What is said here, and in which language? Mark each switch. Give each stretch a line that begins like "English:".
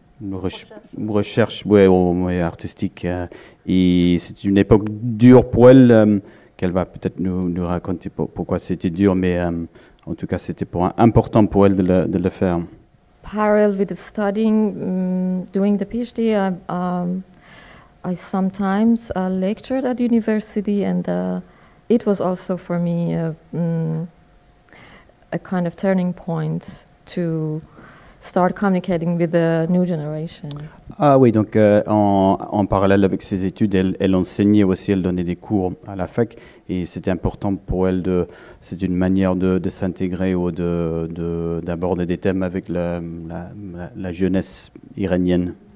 French: Recherche artistique. Et c'est une époque dure pour elle, qu'elle va peut-être nous raconter pourquoi c'était dur, mais en tout cas, c'était important pour elle de le faire.
English: Parallel with the studying, doing the PhD, I sometimes lectured at university, and it was also for me a kind of turning point to start communicating with the new generation.
French: Ah oui, donc en parallèle avec ses études, elle enseignait aussi, elle donnait des cours à la fac, et c'était important pour elle c'est une manière de s'intégrer ou d'aborder des thèmes avec la jeunesse iranienne.